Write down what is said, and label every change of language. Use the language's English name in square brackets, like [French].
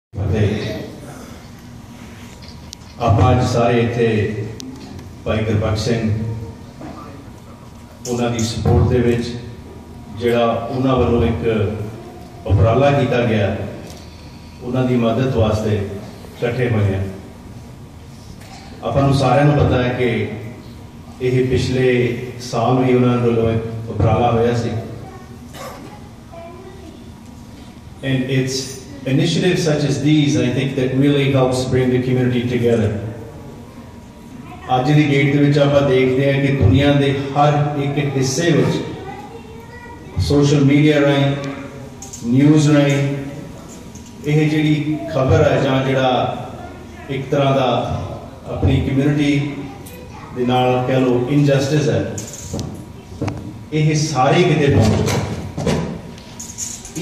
[Punjabi] ਅਤੇ ਆਪਾਂ ਅੱਜ ਸਾਰੇ ਇੱਥੇ ਭਾਈ ਗੁਰਬਖਸ਼ ਸਿੰਘ ਉਹਨਾਂ ਦੀ ਸਪੋਰਟ ਦੇ ਵਿੱਚ ਜਿਹੜਾ ਉਹਨਾਂ ਵੱਲੋਂ ਇੱਕ ਉਪਰਾਲਾ ਕੀਤਾ ਗਿਆ ਉਹਨਾਂ ਦੀ ਮਦਦ ਵਾਸਤੇ ਇਕੱਠੇ ਹੋਏ ਹਾਂ। ਆਪਾਂ ਨੂੰ ਸਾਰਿਆਂ ਨੂੰ ਪਤਾ ਹੈ ਕਿ ਇਹ ਪਿਛਲੇ ਸਾਲ ਵੀ ਉਹਨਾਂ ਵੱਲੋਂ ਇੱਕ ਉਪਰਾਲਾ ਹੋਇਆ ਸੀ। [English] And it's initiatives such as these, I think, that really helps bring the community together. [Punjabi] ਅੱਜ ਦੀ ਗੇਟ ਦੇ ਵਿੱਚ ਆਪਾਂ ਦੇਖਦੇ ਹਾਂ ਕਿ ਦੁਨੀਆ ਦੇ ਹਰ ਇੱਕ ਹਿੱਸੇ ਵਿੱਚ ਸੋਸ਼ਲ ਮੀਡੀਆ ਰਾਹੀਂ, ਨਿਊਜ਼ ਰਾਹੀਂ ਇਹ ਜਿਹੜੀ ਖਬਰ ਹੈ ਜਾਂ ਜਿਹੜਾ ਇੱਕ ਤਰ੍ਹਾਂ ਦਾ ਆਪਣੀ ਕਮਿਊਨਿਟੀ ਦੇ ਨਾਲ ਕਹਿ ਲਓ ਇਨਜਸਟਿਸ ਹੈ, ਇਹ ਸਾਰੇ ਕਿਤੇ ਪਹੁੰਚ।